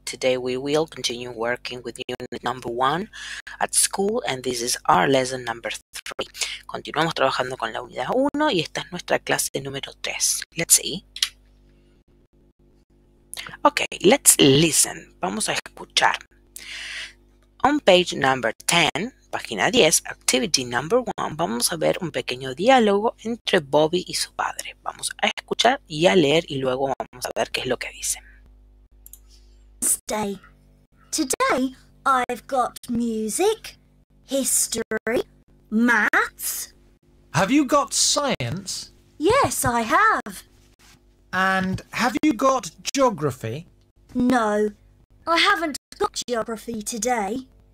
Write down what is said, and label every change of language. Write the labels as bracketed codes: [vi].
[en] Today we will continue working with unit number one at school and this is our lesson number three. [es] Continuamos trabajando con la unidad 1 y esta es nuestra clase número 3. Let's see. Okay, let's listen. Vamos a escuchar. On page number 10, página 10, activity number 1, vamos a ver un pequeño diálogo entre Bobby y su padre. Vamos a escuchar y a leer y luego vamos a ver qué es lo que dice. [en] Day. Today I've got music, history, maths. Have you got science? Yes, I have. And have you got geography? No, I haven't got geography today.